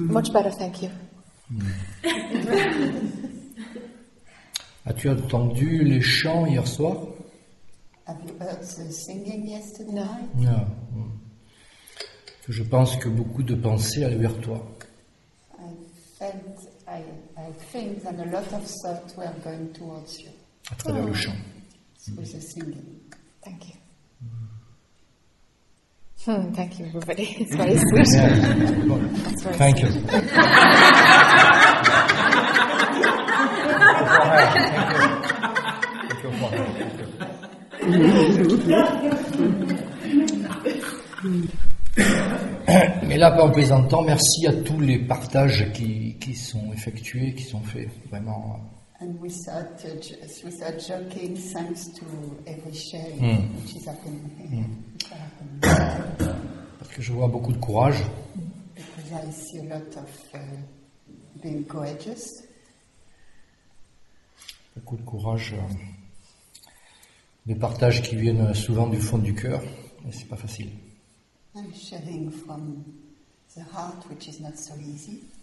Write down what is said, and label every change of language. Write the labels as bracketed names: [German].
[English] Much better, thank you. [French] As-tu entendu les chants hier soir? [English] Have you heard the singing yesterday night? No. [French] Je pense que beaucoup de pensées allaient vers toi. [English] I think that a lot of thoughts were going towards you. [French] À travers le chant. [English] Through the singing. Thank you. Thank you, everybody. It's very sweet. Yeah. Well, thank you. [French] Mais là, pas en plaisantant. Merci à tous les partages qui sont effectués, qui sont faits, vraiment. [English] And without joking, thanks to every sharing which is happening here. [French] Parce que je vois beaucoup de courage. [English] Because I see a lot of being courageous. [French] Beaucoup de courage, des partages qui viennent souvent du fond du cœur, mais c'est pas facile. [English] I'm sharing from the heart, which is not so easy.